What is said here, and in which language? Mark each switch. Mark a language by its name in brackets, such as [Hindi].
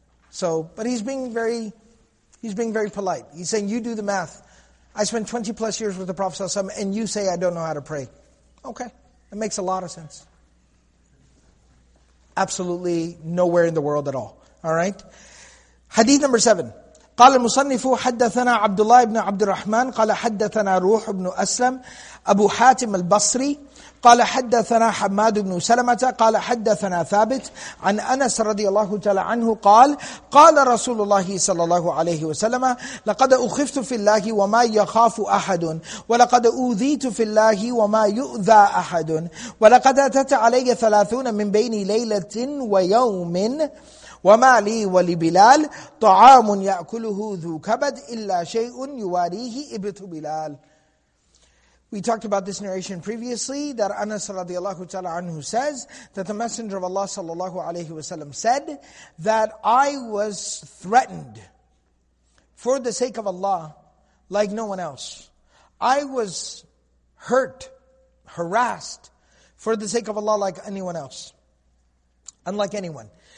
[English] So, but he's being very polite. He's saying, you do the math. I spent 20 plus years with the Prophet ﷺ and you say I don't know how to pray. Okay. That makes a lot of sense. Absolutely nowhere in the world at all. All right. Hadith number 7. [Arabic] قال المصنف حدثنا عبد الله بن عبد الرحمن قال حدثنا روح بن أسلم أبو حاتم البصري قال حدثنا حماد بن سلمة قال حدثنا ثابت عن أنس رضي الله تعالى عنه قال قال رسول الله صلى الله عليه وسلم لقد أخفت في الله وما يخاف أحد ولقد أوذيت في الله وما يؤذى أحد ولقد أتت علي 30 من بين ليلة ويوم وما لي ولبلال طعام يأكله ذو كبد إلا شيء يواريه إبط بلال. [English] We talked about this narration previously, that Anas radiallahu ta'ala anhu says that the Messenger of Allah sallallahu alayhi wa sallam said that I was threatened for the sake of Allah like no one else. I was hurt, harassed for the sake of Allah like anyone else. Unlike anyone.